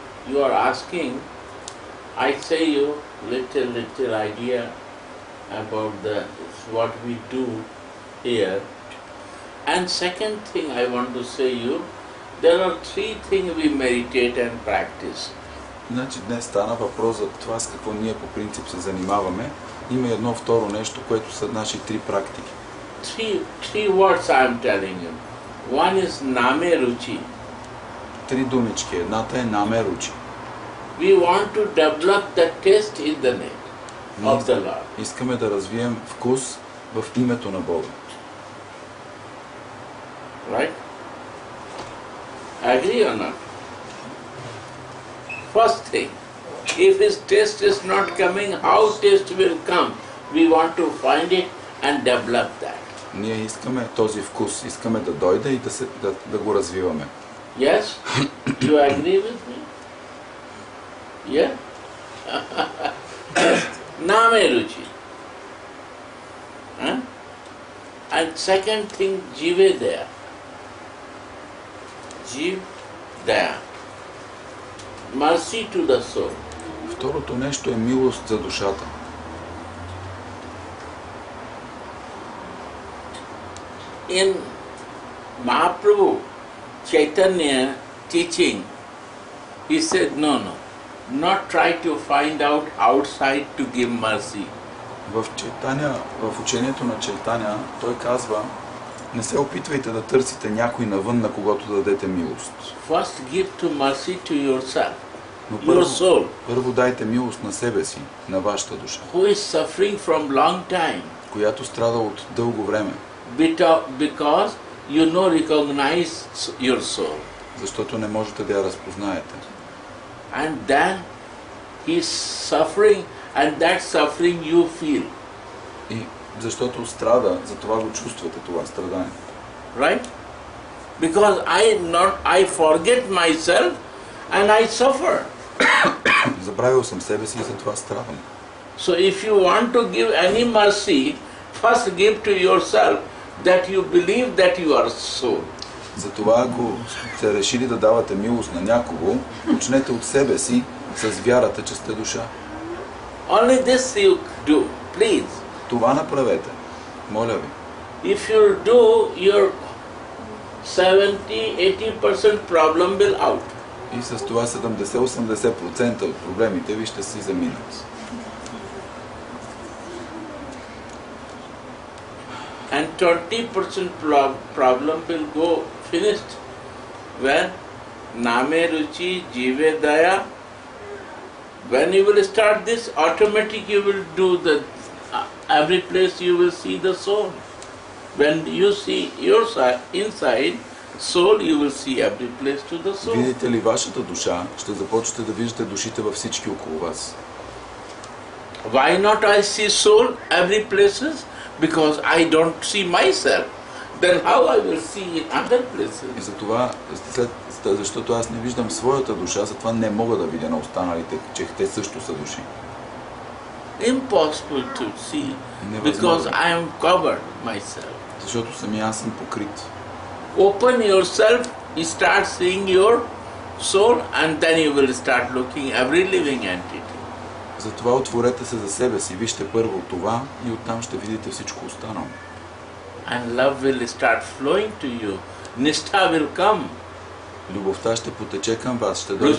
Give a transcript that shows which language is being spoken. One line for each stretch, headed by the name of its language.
English: You are asking, I say you little idea about the what we do here. And second thing I want to say you, there are three things we meditate and practice.
Bulgarian: Значи днес стана въпрос за това с какво ние по принцип се занимаваме. Има едно второ нещо, което са наши три практики.
English: Three words I am telling you. One is name ruchi.
Bulgarian: Три думички. Едната е name ruchi.
English: We want to develop the taste in the name of the Lord.
Bulgarian: Искаме да развием вкус в името на Бога.
English: Right? Agree or not? First thing, if his taste is not coming, how taste will come? We want to find it and develop that.
Bulgarian: Ние искаме този вкус, искаме да дойде и да го развиваме.
English: Yes? You agree with me? Yeah? Name ruchi. Huh? And second thing, jive daya. Jive daya. Mercy to the soul.
Bulgarian: Второто нещо е милост за душата.
English: In Mahaprabhu Chaitanya teaching, he said, no. Not try to find out outside to give mercy.
Bulgarian: В учението на Чайтаня той казва, не се опитвайте да търсите някой навън, на когото дадете милост.
English: First give to mercy to yourself, your soul.
Bulgarian: Първо дайте милост на себе си, на вашата душа.
English: Who is suffering from long time?
Bulgarian: Която страда от дълго време.
English: Because you no recognize your soul.
Bulgarian: Защото не можете да я разпознаете.
English: And then he is suffering, and that suffering you feel.
Bulgarian: И защото страда, затова го чувствате това страдание.
English: Right? Because I forget myself, and I suffer.
Bulgarian: Забравил съм себе си, затова страдам.
English: So if you want to give any mercy, first give to yourself that you believe that you are so.
Bulgarian: Затова, ако сте решили да давате милост на някого, почнете от себе си с вярата, че сте душа.
English: Only this you do, please.
Bulgarian: Това направете, моля ви.
English: If you do, your 70-80% problem will out.
Bulgarian: И с това 70-80% от проблемите ви ще си заминат.
English: And 30% problem will go finished when name ruchi jive daya. When you will start this, automatic you will do the every place you will see the soul. When you see your inside soul, you will see every place to the soul.
Bulgarian: Видите ли вашата душа, ще започнете да виждате душите във всички около вас.
English: Why not I see soul every places? Because I don't see myself, then how I will see in other places?
Bulgarian: И затова, защото аз не виждам своята душа, затова не мога да видя на останалите, че те също са души.
English: Impossible to see, because I am covered myself.
Bulgarian: Защото сами аз съм покрит.
English: Open yourself, start seeing your soul, and then you will start looking every living entity.
Bulgarian: Затова отворете се за себе си, вижте първо това и оттам ще видите всичко останало.
English: And love will start flowing to you. Nishtha will come.
Bulgarian: Любовта ще потече към вас, ще дойде.